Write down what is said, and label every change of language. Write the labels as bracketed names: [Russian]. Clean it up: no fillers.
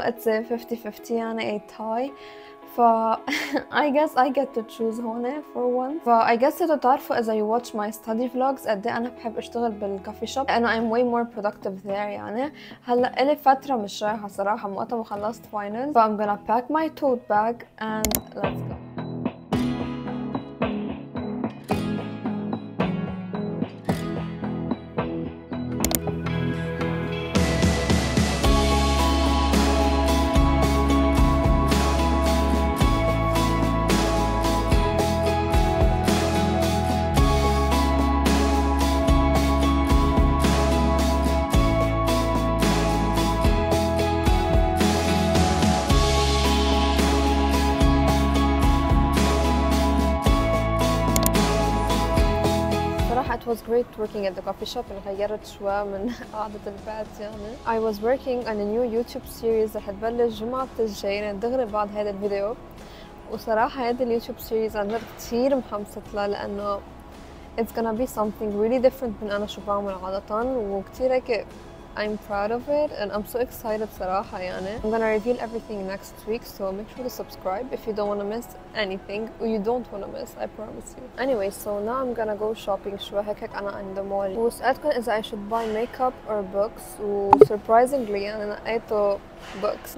[English] It's a 50-50 يعني a tie. ف I guess I get to choose هون for once. ف I guess [Arabic] إذا تعرفوا إذا [English] you watch my study vlogs [Arabic] قد أنا بحب أشتغل [English] بالcoffee shop and I'm way more productive there يعني. [Arabic] هلأ إلي فترة مش رايحة صراحة وقتها ما خلصت finals. [English] ف I'm gonna pack my tote bag and let's go. It was great working at the coffee shop and [Arabic] غيرت شوية من قعدة البيت يعني. [English] I was working on a new YouTube series [Arabic] رح تبلش جمعة الجاي دغري بعد هذا الفيديو. وصراحة هذا اليوتيوب سيريز أنا كتير محمسة له لأنه [English] it's gonna be something really different [Arabic] من أنا شو بعمل عادة وكتير هيك [English] I'm proud of it and I'm so excited [Arabic] صراحه يعني. [English] I'm gonna reveal everything next week, so make sure to subscribe if you don't want to miss anything. You don't want to miss, I promise you. Anyway, so now I'm gonna go shopping [Arabic] شو هيك انا [English] in the mall. [Arabic] وسألتكم اذا [English] I should buy makeup or books, و surprisingly [Arabic] انا لقيت [English] books.